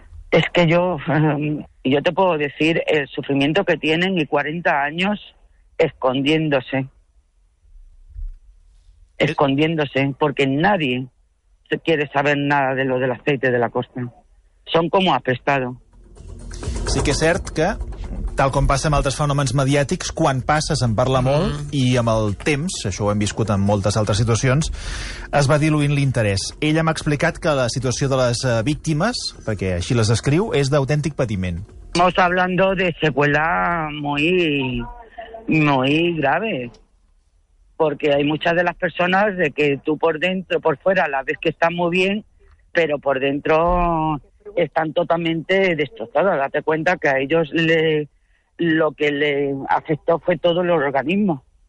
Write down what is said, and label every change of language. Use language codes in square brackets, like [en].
[es] Es que yo te puedo decir el sufrimiento que tienen y 40 años escondiéndose. Escondiéndose, porque nadie quiere saber nada de lo del aceite de la Corza. Son como apestados. [ca] Sí que és cert que, tal com passa amb altres fenòmens mediàtics, quan passa se'n parla molt, i amb el temps, això ho hem viscut en moltes altres situacions, es va diluint l'interès. Ella m'ha explicat que la situació de les víctimes, perquè així les escriu, és d'autèntic patiment. [es] Estamos hablando de secuela muy, muy grave, porque hay muchas de las personas de que tú por dentro, por fuera, la ves que están muy bien, pero por dentro están totalmente destrozadas. Date cuenta que a ellos lo que le afectó fue todo el organismo.